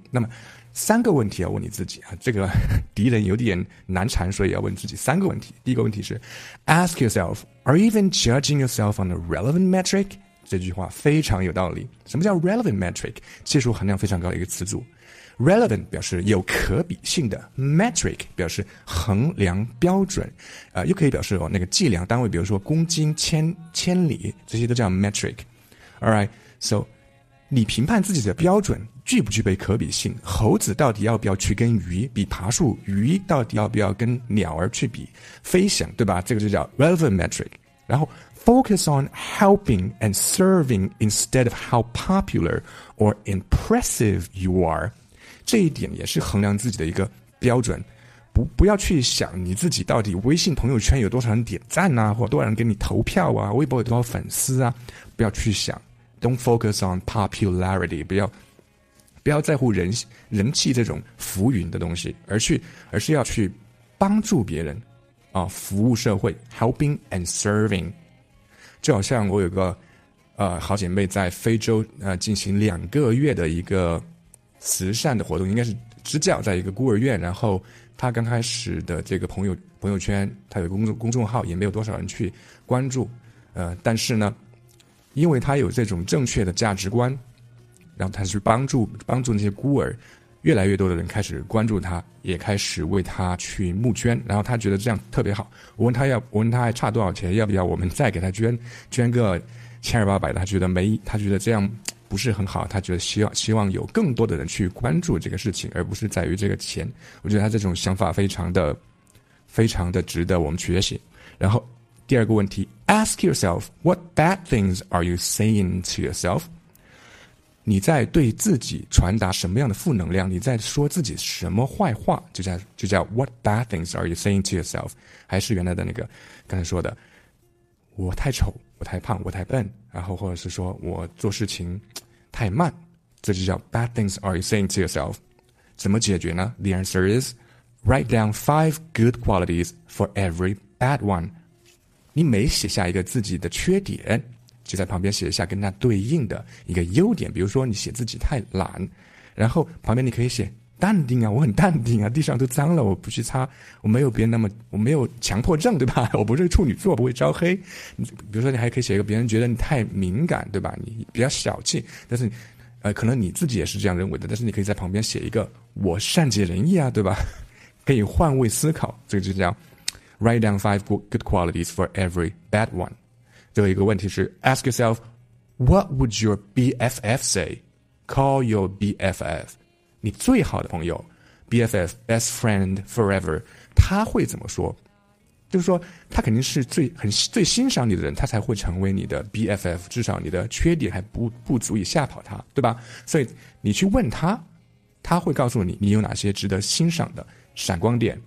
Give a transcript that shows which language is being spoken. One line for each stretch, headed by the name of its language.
Chinese: 那么三个问题要问你自己啊，这个敌人有点难缠，所以要问自己三个问题。第一个问题是
English: Ask yourself, are you even judging yourself on a relevant metric?
Chinese: 这句话非常有道理。什么叫 relevant metric? 技术含量非常高的一个词组。Relevant 表示有可比性的， metric 表示衡量标准，又可以表示那个计量单位，比如说公斤、千里，这些都叫 metric. Alright, so你评判自己的标准具不具备可比性，猴子到底要不要去跟鱼比爬树，鱼到底要不要跟鸟儿去比飞翔，对吧？这个就叫 relevant metric。
English: 然后 focus on helping and serving instead of how popular or impressive you are，
Chinese: 这一点也是衡量自己的一个标准。不要去想你自己到底微信朋友圈有多少人点赞啊，或多少人给你投票啊，微博有多少粉丝啊，不要去想。
English: Don't focus on popularity.
Chinese: 不要在乎人气这种浮云的东西，而是要去帮助别人啊，服务社会 ，
English: helping and serving.
Chinese: 就好像我有个好姐妹在非洲进行两个月的一个慈善的活动，应该是支教，在一个孤儿院。然后她刚开始的这个朋友圈，她有公众号，也没有多少人去关注。但是呢。因为他有这种正确的价值观，然后他去帮助那些孤儿，越来越多的人开始关注他，也开始为他去募捐，然后他觉得这样特别好。我问他还差多少钱，要不要我们再给他捐个千二八百的，他觉得这样不是很好，他觉得希望有更多的人去关注这个事情，而不是在于这个钱。我觉得他这种想法非常的值得我们学习。然后第二个问题，
English: Ask yourself, what bad things are you saying to yourself?
Chinese: 你在对自己传达什么样的负能量？你在说自己什么坏话？
English: 就叫 what bad things are you saying to yourself?
Chinese: 还是原来的那个刚才说的，我太丑，我太胖，我太笨，然后或者是说我做事情太慢，这就叫
English: bad things are you saying to yourself?
Chinese: 怎么解决呢？
English: The answer is, write down 5 good qualities for every bad one.
Chinese: 你每写下一个自己的缺点，就在旁边写一下跟它对应的一个优点。比如说你写自己太懒，然后旁边你可以写淡定啊，我很淡定啊，地上都脏了我不去擦，我没有别人那么，我没有强迫症，对吧？我不是处女座，不会招黑。比如说你还可以写一个别人觉得你太敏感，对吧？你比较小气，但是可能你自己也是这样认为的，但是你可以在旁边写一个我善解人意啊，对吧？可以换位思考，这个就叫
English: Write down 5 good qualities for every bad one.
Chinese: 最后一个问题是
English: Ask yourself, what would your BFF say? Call your BFF.
Chinese: 你最好的朋友 BFF,
English: best friend forever,
Chinese: 他会怎么说？就是说他肯定是最很最欣赏你的人，他才会成为你的 BFF， 至少你的缺点还不足以吓跑他，对吧？所以你去问他，他会告诉你你有哪些值得欣赏的闪光点。